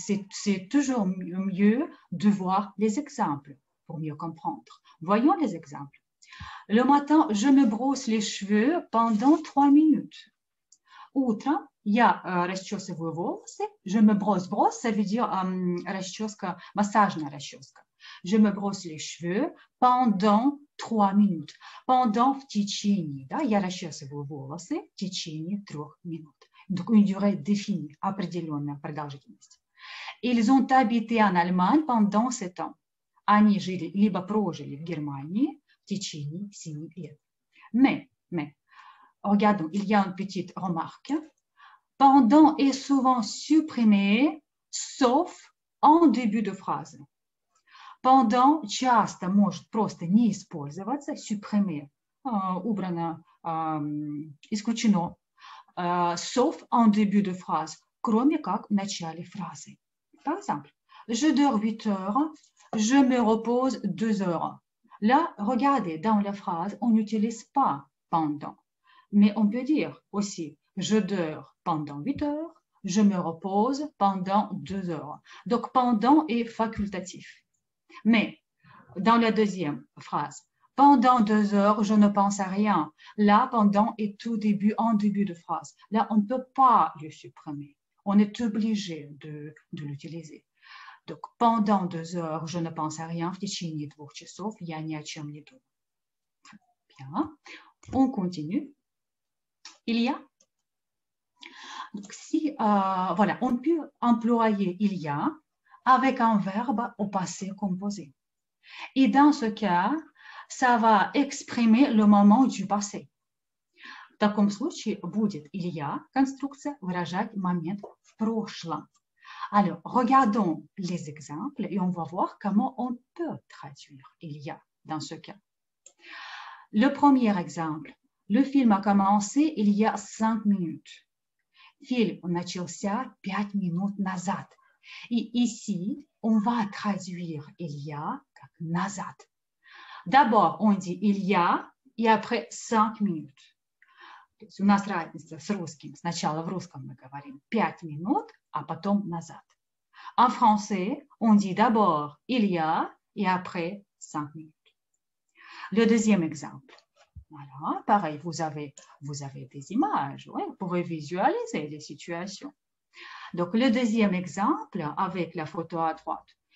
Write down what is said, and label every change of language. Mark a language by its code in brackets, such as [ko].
[fr] C'est toujours mieux de voir les exemples pour mieux comprendre. Voyons les exemples. Le matin, je me brosse les cheveux pendant 3 minutes. [ru] Outre, я расчесываю волосы. [fr] Je me brosse, ça veut dire [ru] расческа, массажная расческа. [fr] Je me brosse les cheveux pendant 3 minutes. [ru] Pendant, в течение, да, я расчесываю волосы, в течение 3 минут. [fr] Donc, une durée définie, [ru] определенная продолжительность. [fr] Ils ont habité en Allemagne pendant 7 ans. [ru] Они жили, либо прожили в Германии в течение 7 лет. [fr] Mais, regardons, il y a une petite remarque. Pendant est souvent supprimé, sauf en début de phrase. [ru] Pendant, часто может просто не использоваться, supprimé, убрано, исключено. [fr] Sauf en début de phrase, [ru] кроме как в начале фразы. [fr] Par exemple, je dors 8 heures, je me repose 2 heures. Là, regardez, dans la phrase, on n'utilise pas pendant. Mais on peut dire aussi, je dors pendant 8 heures, je me repose pendant 2 heures. Donc, pendant est facultatif. Mais, dans la deuxième phrase, pendant 2 heures, je ne pense à rien. Là, pendant est tout début, en début de phrase. Là, on ne peut pas le supprimer. On est obligé de l'utiliser. Donc, pendant 2 heures, je ne pense à rien. Bien. On continue. Il y a. Donc, si, voilà, on peut employer il y a avec un verbe au passé composé. Et dans ce cas, ça va exprimer le moment du passé. [ru] В таком случае будет il y a конструкция выражать момент в прошлом. [fr] Alors, regardons les exemples et on va voir comment on peut traduire il y a dans ce cas. Le premier exemple, le film a commencé il y a 5 minutes. [ru] Film начался 5 минут назад. [fr] Et ici, on va traduire il y a [ru] как назад. [fr] D'abord, on dit il y a et après 5 minutes. [ru] То есть у нас разница с русским. Сначала в русском мы говорим 5 минут, а потом назад. [fr] En français, on dit d'abord il y a et après 5 minutes. Le deuxième exemple. Voilà, pareil, vous avez des images, ouais, pour visualiser les situations. Donc, le deuxième exemple avec la photo à droite.